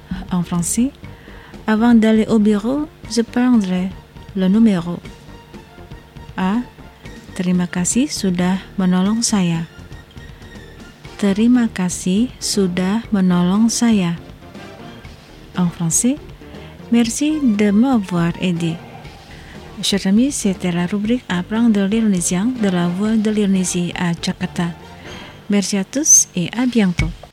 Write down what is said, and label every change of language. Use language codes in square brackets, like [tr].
[fr] En français, avant d'aller au bureau, je prendrai le numéro. A. [id] Terima kasih sudah menolong saya. Terima kasih sudah menolong saya. [fr] En français, merci de m'avoir aidé. Chers amis, c'était la rubrique Apprendre l'Indonésien de la Voix de l'Indonésie à Jakarta. Merci à tous et à bientôt.